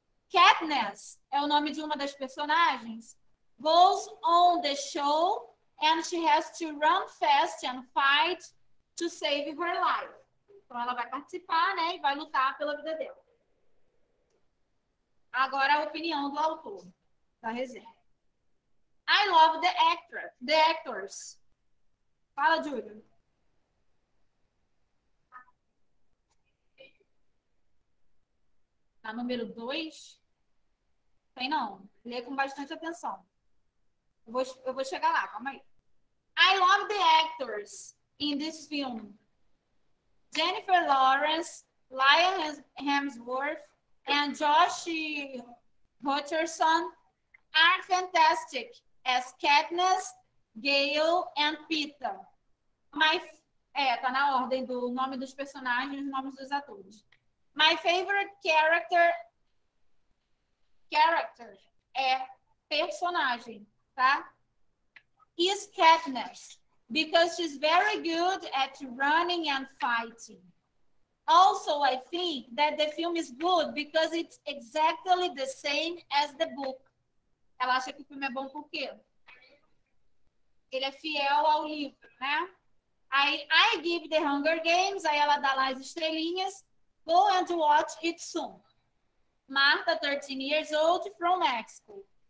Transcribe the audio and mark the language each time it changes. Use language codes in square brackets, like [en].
[pt] Katniss é o nome de uma das personagens. [en] Goes on the show and she has to run fast and fight to save her life. [pt] Então ela vai participar, né, e vai lutar pela vida dela. Agora a opinião do autor da resenha. [en] I love the actress, the actors. [pt] Fala, Júlio. Tá número 2? Tem não. Lê com bastante atenção. Eu vou chegar lá, calma aí. [en] I love the actors in this film. Jennifer Lawrence, Liam Hemsworth, and Josh Hutcherson are fantastic as Katniss, Gale, and Peeta. [pt] Tá na ordem do nome dos personagens e nomes dos atores. [en] My favorite character [pt] é personagem, tá? [en] Is Katniss, because she's very good at running and fighting. Also, I think that the film is good because it's exactly the same as the book. [pt] Ela acha que o filme é bom por quê? Ele é fiel ao livro, né? [en] I give The Hunger Games, [pt] aí ela dá lá as estrelinhas. [en] Go and watch it soon. Marta, 13 years old, from Mexico.